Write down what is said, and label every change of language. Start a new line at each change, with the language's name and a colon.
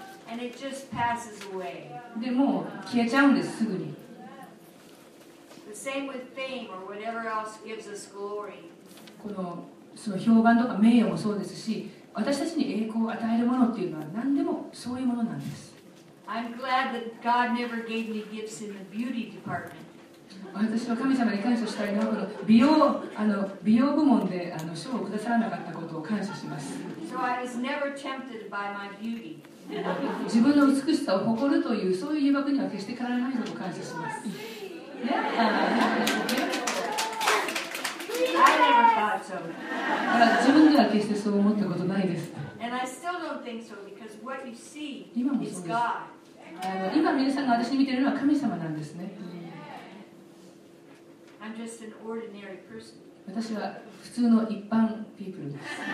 English: And it just passes away.
Japanese: でも消えちゃうんです、すぐに。
English: Same with fame or whatever else gives us glory.
Japanese: このその評判とか名誉もそうですし、私たちに栄光を与えるものっていうのは何でもそういうものなんです。
English: I'm glad that God never gave me gifts in the beauty department.
Japanese: 私は神様に感謝したいのはこの美容部門で賞をくださらなかったことを感謝します。
English: So I was never tempted by my beauty.
Japanese: 自分の美しさを誇るというそういう誘惑には決してかからないのと感謝します。
English: Yeah. I never thought so.
Japanese: だから自分では決してそう思ったことないです。
English: And I still don't think so because what you see is God.
Japanese: 今皆さんが私に見ているのは神様なんですね。
English: I'm just an ordinary person.
Japanese: 私は普通の一般ピープルです。